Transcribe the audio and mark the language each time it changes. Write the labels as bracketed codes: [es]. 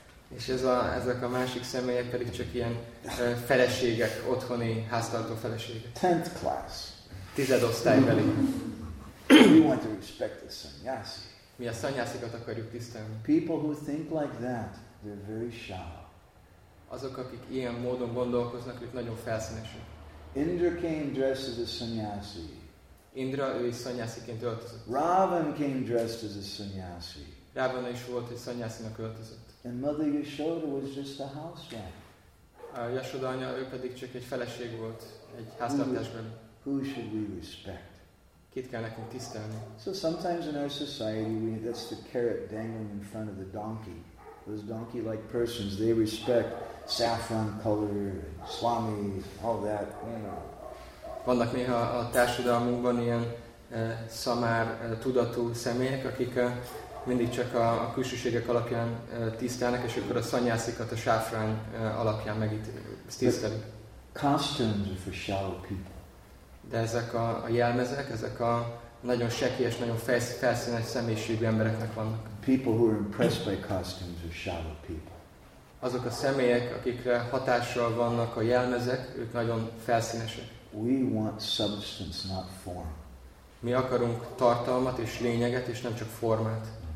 [hu] És ezek a másik személyek pedig csak ilyen feleségek, otthoni háztartó feleségek. [en] 10th class. [hu] Tizedosztálybeli. [en] We want to respect the sannyasi. [hu] Mi a szanyászikat akarjuk tisztelni. [en] People who think like that, they're very shallow. [hu] Azok, akik ilyen módon gondolkoznak, ők nagyon felszínesek. [en] Indra came dressed as a sannyasi. [hu] Indra ő is szanyásziként öltözött. [en] Ravan came dressed as a sannyasi. [hu] Ravana is volt egy szanyászinak öltözött. [en] And Mother Yashoda was just a housewife. [hu] A Yashoda anya, ő pedig csak egy feleség volt, egy háztartásban. [en] Who should we respect? [hu] Kit kell nekünk tisztelni? [en] So sometimes in our society, that's the carrot dangling in front of the donkey. Those donkey-like persons, they respect saffron color, swami, all that, you know. [hu] Vannak néha a társadalmunkban ilyen szamár tudatú személyek, akik mindig csak a külsőségek alapján tisztelnek, és akkor a szanyászikat a sáfrán alapján tisztelik. [en] Costumes are for shallow people. [hu] De ezek a jelmezek, ezek a nagyon sekélyes, nagyon felszínes személyiségű embereknek vannak. [en] People who are impressed by costumes are shallow people. [hu] Azok a személyek, akikre hatással vannak a jelmezek, ők nagyon felszínesek. [en] We want substance, not form. [hu] Mi akarunk tartalmat és lényeget, és nem csak formát.